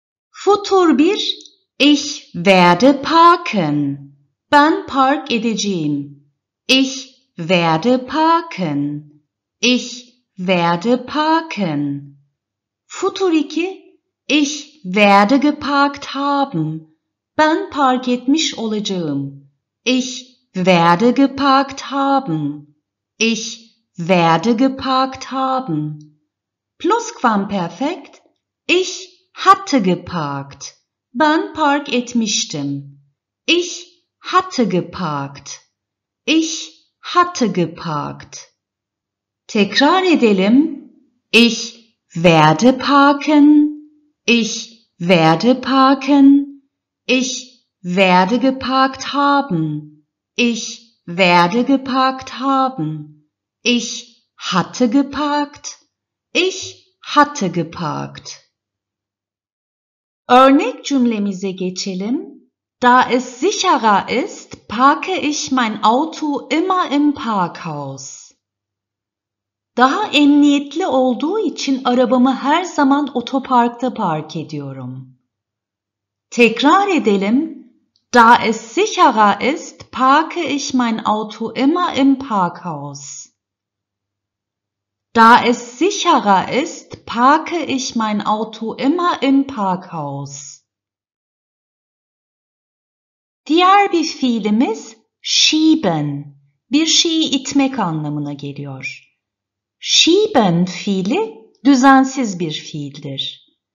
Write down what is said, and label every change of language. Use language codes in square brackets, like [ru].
[de] Futur 1. Ich werde parken. [tr] Ben park edeceğim. [de] Ich werde parken. Ich werde parken. Futur 2. Ich werde geparkt haben. [tr] Ben park etmiş olacağım. [de] Ich werde geparkt haben. Ich werde geparkt haben. Plusquamperfekt. Ich hatte geparkt. [tr] Ben park etmiştim. [de] Ich hatte geparkt. Ich hatte geparkt. [tr] Tekrar edelim. [de] Ich werde parken. Ich werde parken. Ich werde geparkt haben. Ich werde geparkt haben. Ich hatte geparkt. Ich hatte geparkt. [tr] Örnek cümlemize geçelim. [de] Da es sicherer ist, parke ich mein Auto immer im Parkhaus. [tr] Daha emniyetli olduğu için arabamı her zaman otoparkta park ediyorum. Tekrar edelim. [de] Da es sicherer ist, parke ich mein Auto immer im Parkhaus. Da es sicherer ist, parke ich mein Auto immer im Parkhaus. [tr] Diğer bir fiilimiz schieben. Bir şeyi itmek anlamına geliyor. Schieben fiili düzensiz bir fiildir.